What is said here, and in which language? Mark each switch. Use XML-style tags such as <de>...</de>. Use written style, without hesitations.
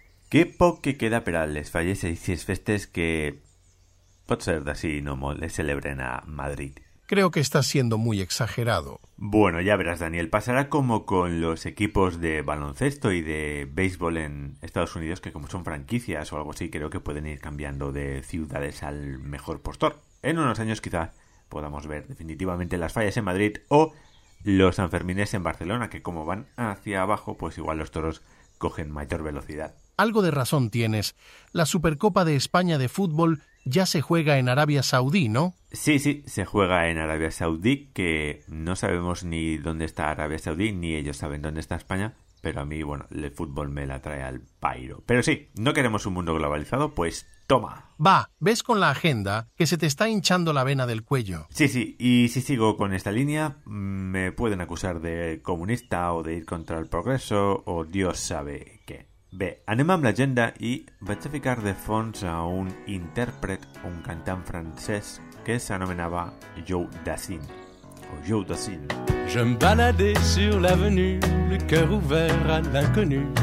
<ca>Que poc que queda per a les falles i les festes que pot ser d'ací no molt les celebren a Madrid.</ca> <es>Creo que estás siendo muy exagerado. Bueno, ya verás, Daniel. Pasará como con los equipos de baloncesto y de béisbol en Estados Unidos, que como son franquicias o algo así, creo que pueden ir cambiando de ciudades al mejor postor. En unos años quizá podamos ver definitivamente las fallas en Madrid o los Sanfermines en Barcelona, que como van hacia abajo, pues igual los toros cogen mayor velocidad. Algo de razón tienes. La Supercopa de España de fútbol ya se juega en Arabia Saudí, ¿no? Sí, sí, se juega en Arabia Saudí, que no sabemos ni dónde está Arabia Saudí, ni ellos saben dónde está España, pero a mí, bueno, el fútbol me la trae al pairo. Pero sí, no queremos un mundo globalizado, pues toma. Va, ves con la agenda, que se te está hinchando la vena del cuello. Sí, sí, y si sigo con esta línea, me pueden acusar de comunista o de ir contra el progreso, o Dios sabe qué.</es> <ca>Bé, anem amb l'agenda i vaig a ficar de fons a un intèrpret, un cantant francès, que s'anomenava Joe Dassin. O Joe Dassin.</ca> <fr>Je me baladais sur l'avenue, le cœur ouvert à l'inconnu.</fr>